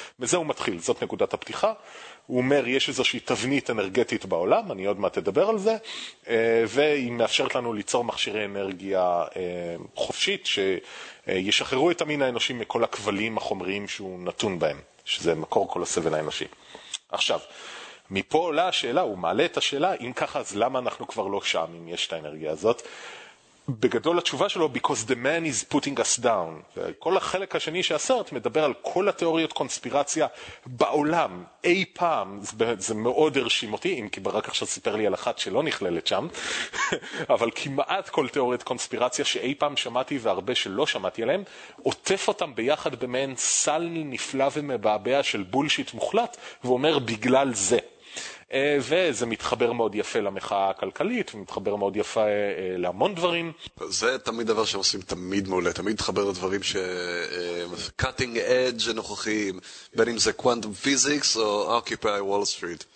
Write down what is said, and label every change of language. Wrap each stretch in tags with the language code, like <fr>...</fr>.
<he>מזה הוא מתחיל, זאת נקודת הפתיחה. הוא אומר, יש איזושהי תבנית אנרגטית בעולם, אני עוד מעט אדבר על זה, והיא מאפשרת לנו ליצור מכשירי אנרגיה חופשית שישחררו את המין האנושי מכל הכבלים החומריים שהוא נתון בהם. שזה מקור כל הסבל האנושי. עכשיו, מפה עולה השאלה, הוא מעלה את השאלה, אם ככה, אז למה אנחנו כבר לא שם, אם יש את האנרגיה הזאת? בגדול התשובה שלו,</he> <en>because the man is putting us down.</en> <he>כל החלק השני שהסרט מדבר על כל התיאוריות קונספירציה בעולם, אי פעם, זה מאוד הרשים אותי, אם כי ברק עכשיו סיפר לי על אחת שלא נכללת שם, אבל כמעט כל תיאוריות קונספירציה שאי פעם שמעתי והרבה שלא שמעתי עליהם, עוטף אותם ביחד במעין סל נפלא ומבעבע של בולשיט מוחלט, ואומר בגלל זה. וזה מתחבר מאוד יפה למחאה הכלכלית, ומתחבר מאוד יפה להמון דברים. זה תמיד דבר שעושים תמיד מעולה, תמיד מתחבר לדברים ש... cutting edge הנוכחיים, בין אם זה quantum physics או occupy wall street.</he>